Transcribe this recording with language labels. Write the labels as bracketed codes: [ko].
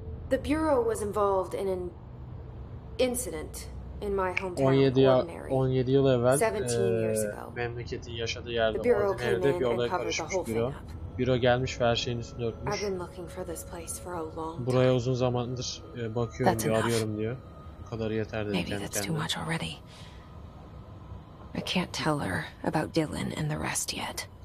[en] The bureau was involved in an incident in my hometown. [tr] 17 yıl evvel memleketin yaşadığı yerde Ordinary'de bir olay karışmış büro. Büro gelmiş ve her şeyin üstünü örtmüş. [en] I've been looking for this place for a long time. [tr] Buraya uzun zamandır bakıyorum diyor, arıyorum diyor. Bu kadarı yeter dedi kendine. [en] Maybe that's too much already. I can't tell her about Dylan and the rest yet.